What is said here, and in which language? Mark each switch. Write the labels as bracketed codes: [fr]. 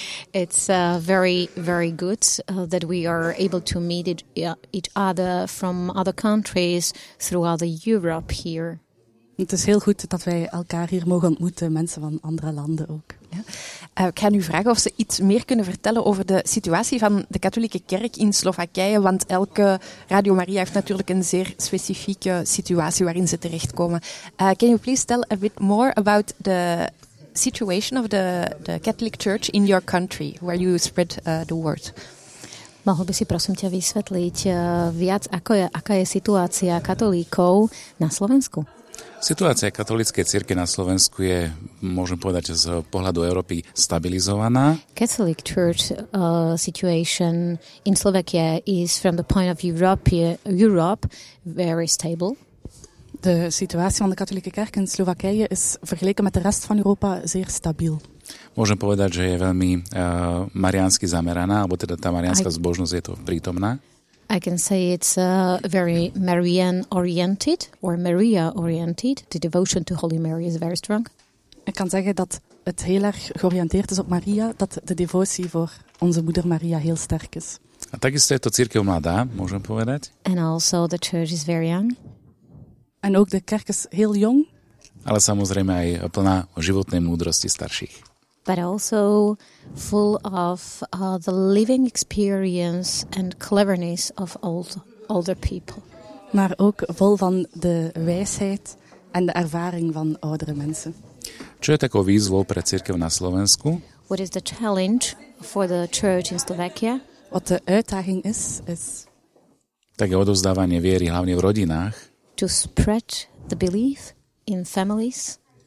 [en] It's very, very good that we are able to meet each other from other countries throughout Europe here. [nl] Het is heel goed dat wij elkaar hier mogen ontmoeten, mensen van andere landen ook. Ja. Ik ga nu vragen of ze iets meer kunnen vertellen over de situatie van de katholieke kerk in Slovakije, want elke Radio Maria heeft natuurlijk een zeer specifieke situatie waarin ze terechtkomen. [en] Can you please tell a bit more about the situation of the Catholic Church in your country, where you spread the word? [sk] Mohol by si prosím ťa vysvetliť viac, aká je situácia katolíkov na Slovensku? Situácia katolíckej cirkvi na Slovensku je, môžem povedať, z pohľadu Európy stabilizovaná. [en] Catholic Church situation in Slovakia is from the point of Europe very stable. [nl] De situatie van de katholieke kerk in Slovakije is vergeleken met de rest van Europa zeer stabiel. [sk] Môžem povedať, že je veľmi mariánsky zameraná, alebo teda tá mariánska zbožnosť je to prítomná. [en] I can say it's very Marian oriented or Maria oriented. The devotion to Holy Mary is very strong. [nl] Ik kan zeggen dat het heel erg georiënteerd is op Maria, dat de devotie voor onze moeder Maria heel sterk is. [sk] A takisto je to cirkev mladá, môžem povedať. [en] And also the church is very young. [nl] En ook de kerk is heel jong. [sk] Ale samozrejme aj plná životnej múdrosti starších. [en] But also full of the living experience and cleverness of older people. [nl] Maar ook vol van de wijsheid en de ervaring van oudere mensen. [sk] Čo je takou výzvou pre cirkev na Slovensku? [en] What is the challenge for the church in Slovakia? [nl] Wat de uitdaging is... [sk] Tak je odovzdávanie viery hlavne v rodinách. [en] To spread the belief in families.